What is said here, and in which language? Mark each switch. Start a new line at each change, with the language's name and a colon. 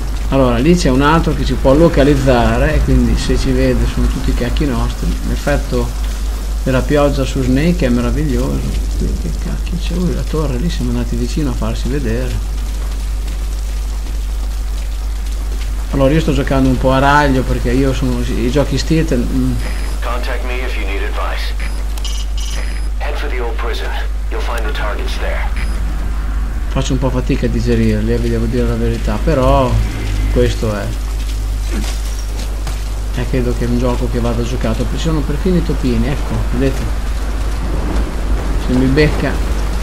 Italian: Allora, lì c'è un altro che ci può localizzare, quindi se ci vede sono tutti cacchi nostri. L'effetto della pioggia su Snake è meraviglioso. Che cacchio c'è? La torre lì, siamo andati vicino a farsi vedere. Allora io sto giocando un po' a raglio perché io sono i giochi stealth.
English: Contact me if you need advice. Head for the old prison. You'll find the targets there.
Italian: Faccio un po' fatica a digerirli, vi devo dire la verità, però questo è. E credo che è un gioco che vada giocato. Ci sono perfino i topini, ecco, vedete? Se mi becca.